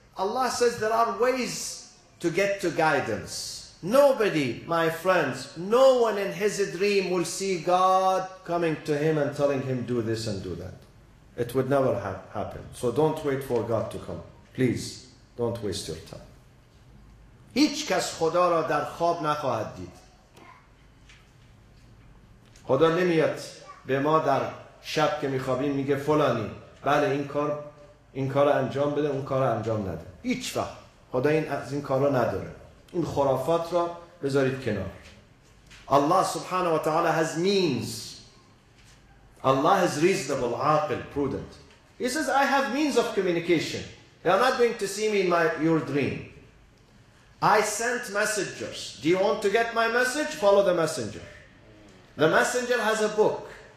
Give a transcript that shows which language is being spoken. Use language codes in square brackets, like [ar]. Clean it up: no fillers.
[en] Allah says there are ways to get to guidance. Nobody, my friends, no one in his dream will see God coming to him and telling him, do this and do that. It would never happen. So don't wait for God to come. Please, don't waste your time. [fa] هیچ کس خدا را در خواب نخواهد دید. خدا نمیاد به ما در شب که میخوابیم میگه فلانی. بله این کار انجام بده، اون کار انجام نده. هیچ وقت. خدا این کار را نداره. این خرافات را بذارید کنار. [en] الله سبحانه و تعالی has means. Allah is reasonable, عاقل, prudent. He says, I have means of communication. You are not going to see me in your dream. I sent messengers. Do you want to get my message? Follow the messenger. The messenger has a book.